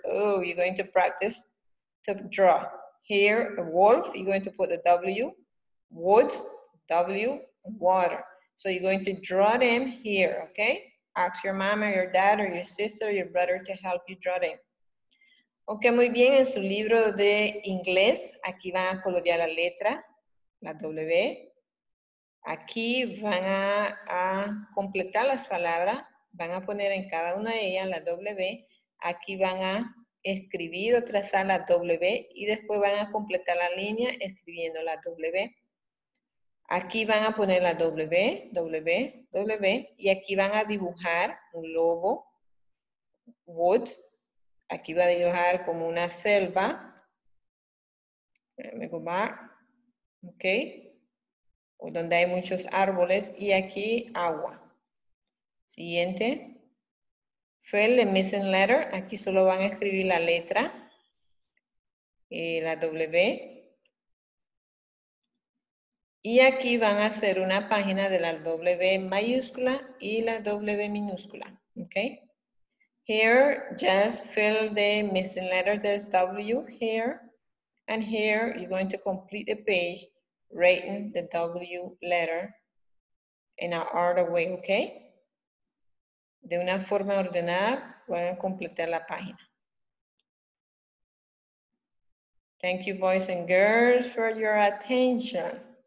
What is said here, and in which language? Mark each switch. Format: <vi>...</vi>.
<en>Oh, you're going to practice to draw. Here, a wolf, you're going to put a W. Woods, W, water. So you're going to draw them here, okay? Ask your mom or your dad or your sister or your brother to help you draw them.</en> <es>Okay, muy bien. En su libro de inglés, aquí van a colorear la letra. la W. Aquí van a completar las palabras, van a poner en cada una de ellas la W. Aquí van a escribir o trazar la W y después van a completar la línea escribiendo la W. Aquí van a poner la W, W, W y aquí van a dibujar un lobo, woods. Aquí va a dibujar como una selva.</es> <en>Let me go back.</en> <es>Ok. O donde hay muchos árboles y aquí agua. Siguiente.</es> <en>Fill the missing letter.</en> <es>Aquí solo van a escribir la letra. La W. Y aquí van a hacer una página de la W mayúscula y la W minúscula. Ok.</es> <en>Here, just fill the missing letter, that's W here. And here, you're going to complete the page writing the W letter in an order way, okay?</en> <es>De una forma ordenada, voy a completar la página.</es> <en>Thank you, boys and girls, for your attention.</en>